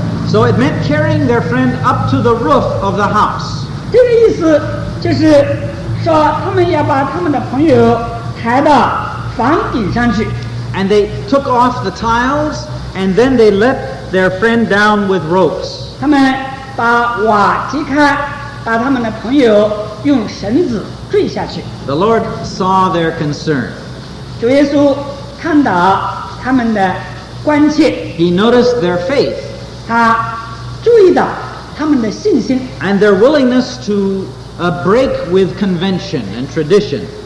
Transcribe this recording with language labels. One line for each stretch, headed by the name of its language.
English: so it meant carrying their friend up to the roof of the house.
Chinese: 这个意思就是说他们要把他们的朋友抬到房顶上去。
English: And they took off the tiles and then they let their friend down with ropes.
Chinese: 他们把瓦揭开, 把他们的朋友用绳子坠下去。
English: The Lord saw their concern.
Chinese: 主耶稣看到他们的关切。
English: He noticed their faith.
Chinese: 他注意到他们的信心。
English: And their willingness to break with convention and tradition.